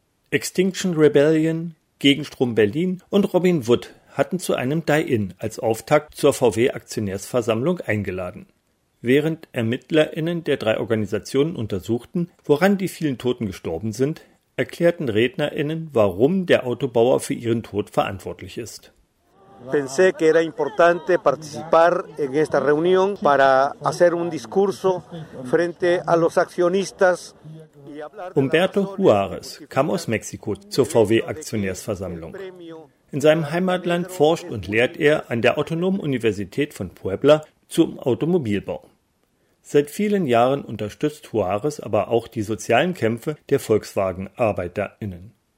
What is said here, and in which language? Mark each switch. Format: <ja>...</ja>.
<de>Extinction Rebellion, Gegenstrom Berlin und Robin Wood hatten zu einem Die-In als Auftakt zur VW-Aktionärsversammlung eingeladen. Während ErmittlerInnen der drei Organisationen untersuchten, woran die vielen Toten gestorben sind, erklärten RednerInnen, warum der Autobauer für ihren Tod verantwortlich ist.</de> <es>Pensé que era importante participar en esta reunión para hacer un discurso frente a los accionistas.</es> <de>Humberto Juárez kam aus Mexiko zur VW-Aktionärsversammlung. In seinem Heimatland forscht und lehrt er an der Autonomen Universität von Puebla zum Automobilbau. Seit vielen Jahren unterstützt Juárez aber auch die sozialen Kämpfe der Volkswagen-ArbeiterInnen.</de>